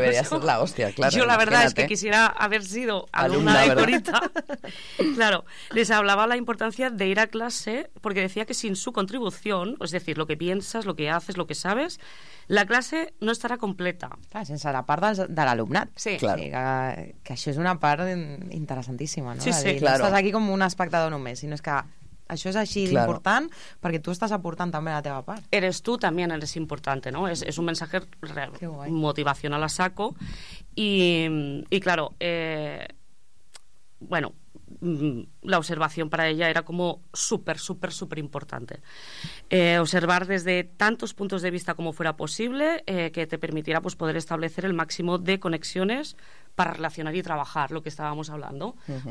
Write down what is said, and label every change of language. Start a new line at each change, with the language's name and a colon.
Spanish: Debería ser la hostia, claro. Yo la verdad es que quisiera haber sido alumna de Corita. Claro, les hablaba la importancia de ir a clase porque decía que sin su contribución, es decir, lo que piensas, lo que haces, lo que sabes, la clase no estarà completa.
Catalan: Clar, sense la part de l'alumnat.
Spanish: Sí, claro.
Catalan: Que això és una part interessantíssima, no?
Spanish: Sí, sí,
Catalan: dir,
Spanish: claro.
Catalan: No estàs aquí com un espectador només, sinó és que això és així, claro, d'important, perquè tu estàs aportant també la teva part.
Spanish: Eres tu, també eres importante, no?
Catalan: És un mensatge real, motivacional a saco.
Spanish: I claro, bueno, la observación para ella era como súper, súper, súper importante. Observar desde tantos puntos de vista como fuera posible, que te permitiera pues poder establecer el máximo de conexiones para relacionar y trabajar, lo que estábamos hablando. Uh-huh.